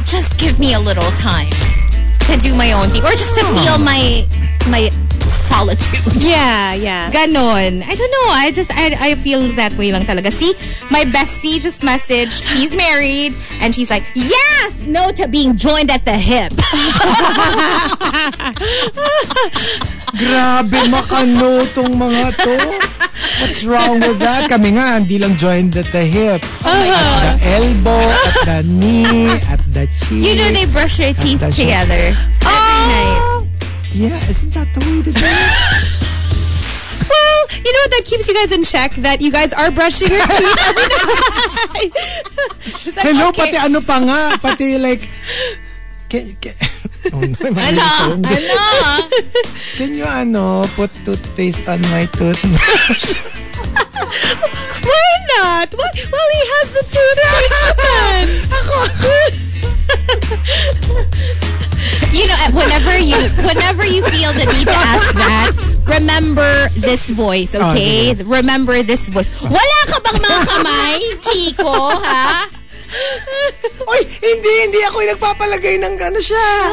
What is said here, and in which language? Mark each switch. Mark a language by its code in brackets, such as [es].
[en] Just give me a little time to do my own thing. Or just to feel my solitude. Yeah. Ganon. I don't know. I feel that way [tl] lang talaga. [en] See, my bestie just messaged. She's married. And she's like, yes! No to being joined at the hip. [tl] Grabe makano tong mga to. [en] What's wrong with that? [tl] Kami nga, hindi lang [en] joined at the hip. Uh-huh. At the elbow, at the knee, at the cheek. You know they brush your teeth together every night. Yeah, isn't that the way to do it? Well, you know what? That keeps you guys in check that you guys are brushing your teeth every night. Hello, okay. [tl] Pati ano pa nga. Pati like... [en] Can you put toothpaste on my toothbrush? Why not? Why? Well, he has the toothpaste open. You know, whenever you feel the need to ask that, remember this voice, okay? Oh, remember this voice. [tl] Wala ka bang mga kamay, Chico, ha? Oy, hindi ako nagpapalagay ng gano siya.